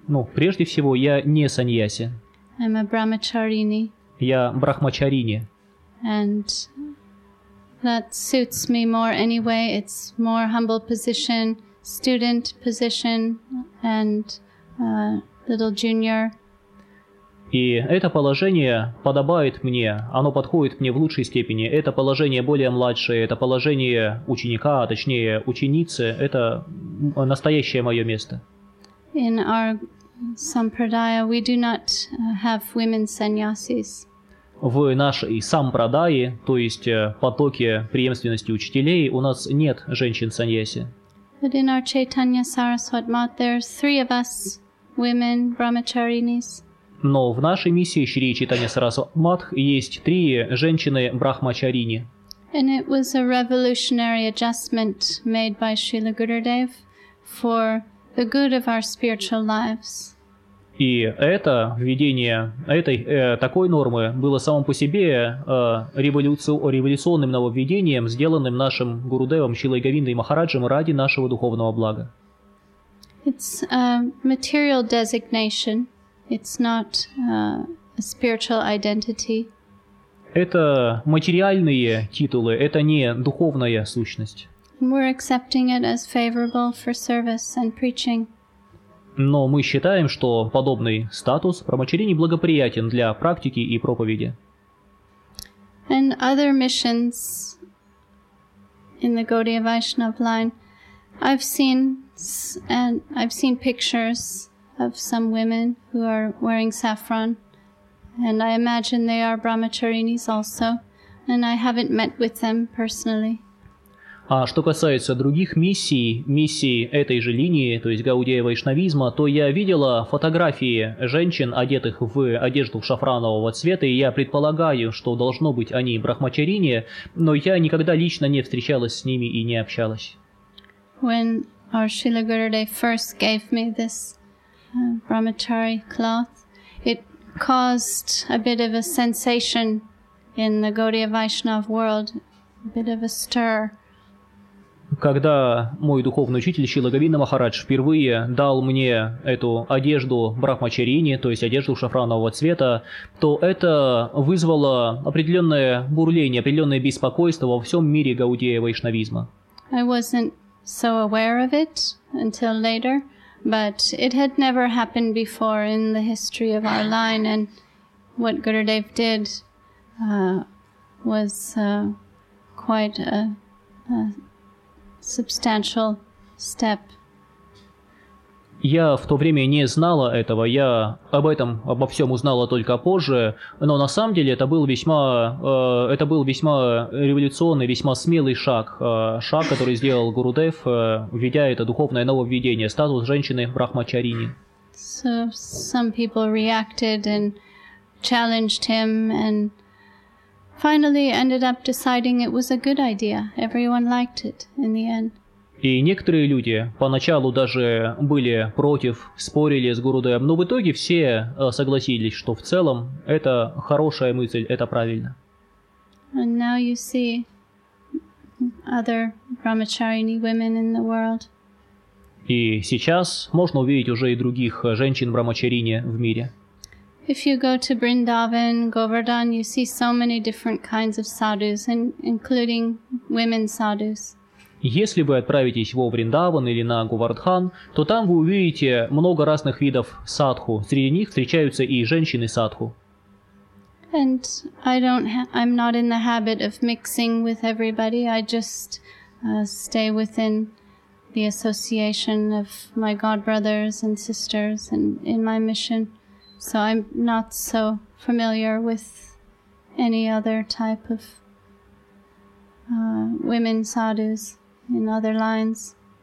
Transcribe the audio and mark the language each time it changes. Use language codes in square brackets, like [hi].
[ru] Ну, прежде всего, я не sannyasi. [en] I'm a brahmacharini. [ru] Я брахмачарини. [en] And that suits me more anyway. It's more humble position, student position, and little junior. [ru] И это положение подобает мне, оно подходит мне в лучшей степени. Это положение более младшее, это положение ученика, а точнее ученицы, это настоящее мое место. [en] In our sampradaya we do not have women sannyasis. [ru] В нашей сампрадае, то есть потоке преемственности учителей, у нас нет женщин-саньяси. [en] But in our Chaitanya Saraswat Math, there are three of us, women, brahmacharinis. [ru] Но в нашей миссии Шри Чайтанья Сарасват Матх есть три женщины-брахмачарини. [en] And it was a revolutionary adjustment made by Srila Gurudev for the good of our spiritual lives. [ru] И это введение этой такой нормы было само по себе революционным нововведением, сделанным нашим Гурудевом Шрилой Говиндой Махараджем ради нашего духовного блага. [en] It's a material designation. It's not a spiritual identity. [ru] Это материальные титулы, это не духовная сущность. [en] We're accepting it as favorable for service and preaching. [ru] Но мы считаем, что подобный статус брахмачарини благоприятен для практики и проповеди. [en] And other missions in the Gaudiya Vaishnav line, I've seen pictures of some women who are wearing saffron, and I imagine they are brahmacharinis also, and I haven't met with them personally. [ru] А что касается других миссий, миссий этой же линии, то есть Гаудия Вайшнавизма, то я видела фотографии женщин, одетых в одежду шафранового цвета, и я предполагаю, что должно быть они брахмачарини, но я никогда лично не встречалась с ними и не общалась. [en] When our Srila Gurudev first gave me this brahmachari cloth, it caused a bit of a sensation in the Gaudiya Vaishnav world, a bit of a stir. [ru] Когда мой духовный учитель Шрила Говинда Махарадж впервые дал мне эту одежду брахмачарини, то есть одежду шафранового цвета, то это вызвало определенное бурление, определенное беспокойство во всем мире Гаудия Вайшнавизма. [en] I wasn't so aware of it until later, but it had never happened before in the history of our line, and what Gurudev did was quite a substantial step. [ru] Я в то время не знала этого, я об этом, обо всем узнала только позже, но на самом деле это был весьма революционный, весьма смелый шаг, шаг, который сделал Гурудев, введя это духовное нововведение, статус женщины брахмачарини. [en] So some people reacted and challenged him, and finally ended up deciding it was a good idea. Everyone liked it in the end. [ru] И некоторые люди поначалу даже были против, спорили с Гурудевом, но в итоге все согласились, что в целом это хорошая мысль, это правильно. [en] And now you see other brahmacharini women in the world. [ru] И сейчас можно увидеть уже и других женщин-брахмачарини в мире. [en] If you go to Vrindavan, Govardhan, you see so many different kinds of sadhus, including women sadhus. [ru] Если вы отправитесь во Вриндаван или на Говардхан, то там вы увидите много разных видов садху. Среди них встречаются и женщины садху. [en] And I'm not in the habit of mixing with everybody. I just stay within the association of my god brothers and sisters and in my mission. So I'm not so familiar with any other type of women sadhus in other lines.